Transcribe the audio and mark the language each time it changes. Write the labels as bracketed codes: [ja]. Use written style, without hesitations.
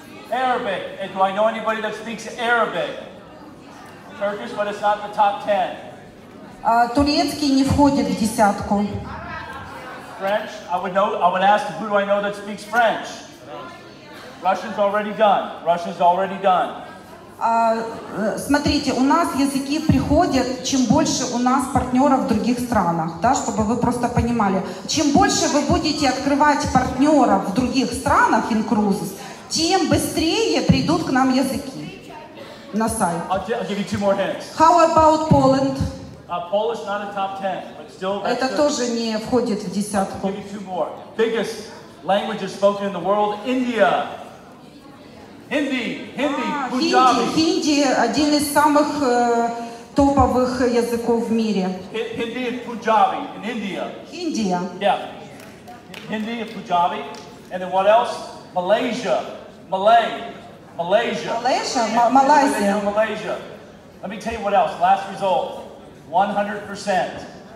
[en] Arabic. And do I know anybody that speaks Arabic? Turkish, but it's not the top 10. [ru] Турецкий не входит в десятку. [en] French. I would ask, who do I know that speaks French? Russian's already done. [ru] Смотрите, у нас языки приходят, чем больше у нас партнеров в других странах, да, чтобы вы просто понимали. Чем больше вы будете открывать партнеров в других странах, in cruises, тем быстрее придут к нам языки на сайт. [en] I'll give you two more hints. How about Poland? Polish not a top 10, but still that's [ru] это тоже не входит в десятку. [en] I'll give you two more. Biggest languages spoken in the world, India. Hindi, Punjabi. [ru] Hindi один из самых топовых языков в мире. [en] Hindi and Punjabi in India. India. Yeah. Hindi and Punjabi. And then what else? Malaysia. Malaysia. Malaysia. Malaysia. Let me tell you what else. Last result. 100%.